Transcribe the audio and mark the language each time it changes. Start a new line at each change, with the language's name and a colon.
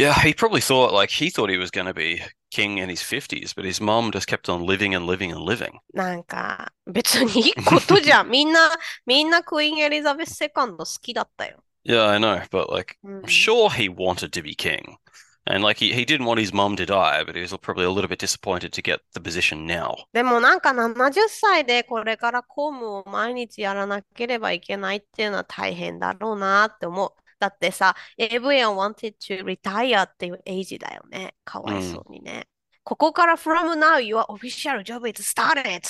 English: Yeah, he probably thought he thought he was gonna be king in his 50s, but his mom just kept on living and living and living.
Japanese: なんか、別にいいことじゃん。みんなクイーン・エリザベス・セカンド好きだったよ。
English: Yeah, I know, but I'm sure he wanted to be king. And he didn't want his mom to die, but he was probably a little bit disappointed to get the position now.
Japanese: でもなんか70歳でこれから公務を毎日やらなければいけないっていうのは大変だろうなって思う。だってさ、
English: Everyone wanted to retire
Japanese: っていうエイジだよね。かわいそうにね。ここから
English: From now your official job is started!